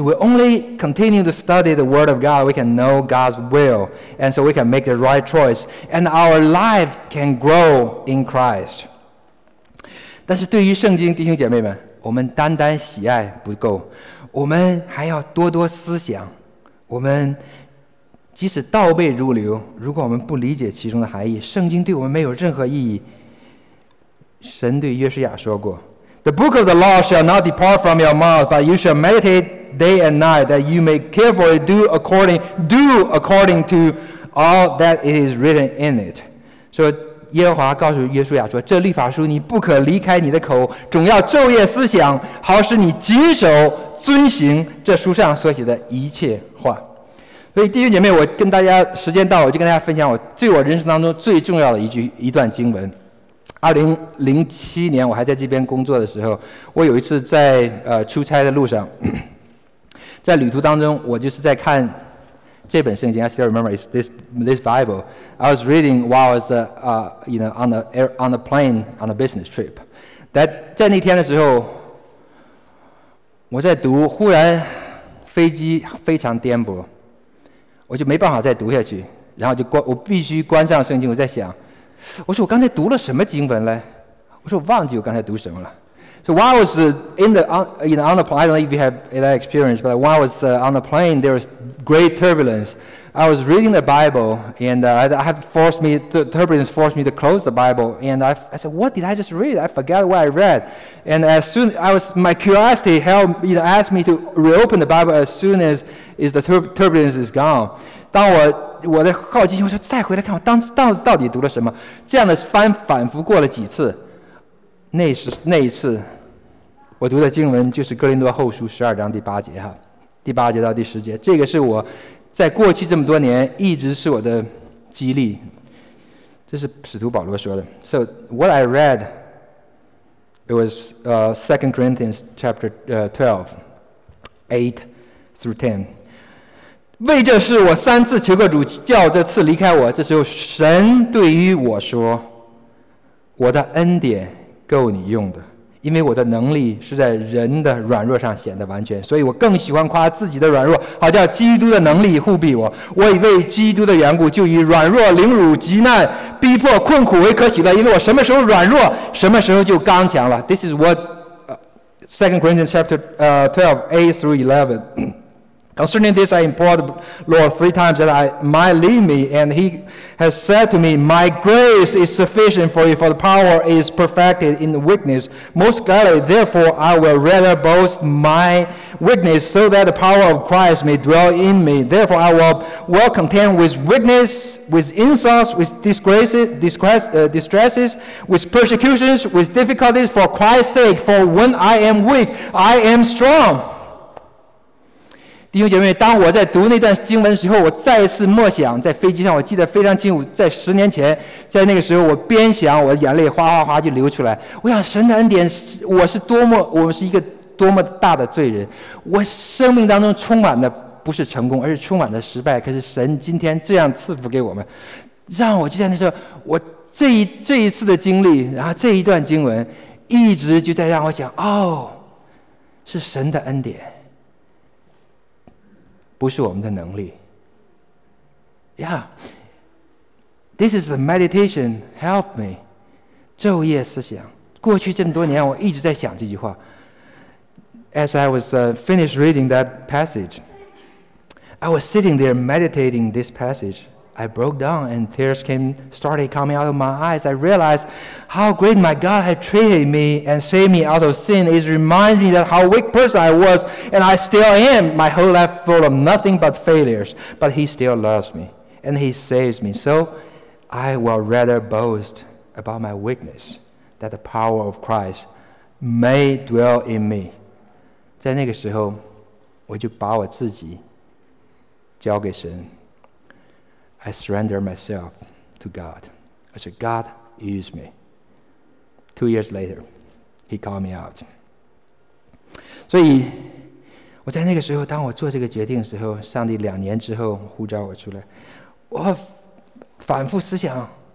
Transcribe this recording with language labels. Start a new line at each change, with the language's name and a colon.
English: We only continue to study the word of God, we can know God's will, and so we can make the right choice, and our life can grow in Christ.
Chinese: 但是对于圣经，弟兄姐妹们，我们单单喜爱不够，我们还要多多思想。我们即使倒背如流，如果我们不理解其中的含义，圣经对我们没有任何意义。神对约书亚说过，
English: The book of the law shall not depart from your mouth, but you shall meditate day and night, that you may carefully do according to all that is written in it.
Chinese: So,耶和华告诉约书亚说，这律法书你不可离开你的口，总要昼夜思想，好使你谨守遵行这书上所写的一切话。所以弟兄姐妹，我跟大家，时间到，我就跟大家分享我人生当中最重要的一段经文。 2007年我还在这边工作的时候，我有一次在出差的路上，在旅途当中，我就是在看这本圣经。
English: I still remember it's this Bible I was reading while I was on the plane on a business trip.
Chinese: That 在那天的时候，我在读，忽然飞机非常颠簸，我就没办法再读下去，然后我必须关上圣经。我在想，我说我刚才读了什么经文呢？我说我忘记我刚才读什么了。
English: So while I was on the plane, I don't know if you have that experience, but while I was on the plane, there was great turbulence. I was reading the Bible, and the turbulence forced me to close the Bible. And I said, what did I just read? I forgot what I read. And as soon as my curiosity asked me to reopen the Bible as soon as the turbulence is gone.
Chinese: 当我的好奇心，我说再回来看我当时到底读了什么。这样的反复过了几次，那一次。我读的经文就是《哥林多后书》12章第8节哈，第8节到第10节，这个是我在过去这么多年一直是我的激励。这是使徒保罗说的。
English: So what I read, it was Second Corinthians chapter 12:8-10.
Chinese: 为这事我三次求过主，叫这次离开我。这时候神对于我说，我的恩典够你用的。因为我的能力是在人的软弱上显得完全，所以我更喜欢夸自己的软弱，好叫基督的能力护庇我。我以为基督的缘故，就以软弱、凌辱、极难、逼迫、困苦为可喜乐，因为我什么时候软弱，什么时候就刚强了。
English: This is what Second Corinthians chapter 12:8-11. Concerning this, I implored the Lord 3 times that I might leave me, and he has said to me, my grace is sufficient for you, for the power is perfected in weakness. Most gladly, therefore, I will rather boast my weakness, so that the power of Christ may dwell in me. Therefore, I will well content with weakness, with insults, with distresses, with persecutions, with difficulties, for Christ's sake, for when I am weak, I am strong.
Chinese: 弟兄姐妹，当我在读那段经文的时候，我再一次默想，在飞机上，我记得非常清楚，在10年前，在那个时候，我边想，我的眼泪哗哗哗就流出来。我想，神的恩典，我们是一个多么大的罪人，我生命当中充满的不是成功，而是充满的失败。可是神今天这样赐福给我们，让我就在那时候，我这一次的经历，然后这一段经文，一直就在让我想，哦，是神的恩典。不是我们的能力。
English: Yeah, this is a meditation, help me.
Chinese: 昼夜思想，过去这么多年我一直在想这句话。
English: As I was finished reading that passage, I was sitting there meditating this passage. I broke down and tears started coming out of my eyes. I realized how great my God had treated me and saved me out of sin. It reminds me that how weak person I was, and I still am, my whole life full of nothing but failures. But he still loves me, and he saves me. So I will rather boast about my weakness, that the power of Christ may dwell in me.
Chinese: 在那个时候，我就把我自己交给神。
English: I surrender myself to God. I said, God, use me. 2 years later, he called me out.
Chinese: 所以我在那个时候，当我做这个决定的时候，上帝两年之后呼召我出来，我反复思想。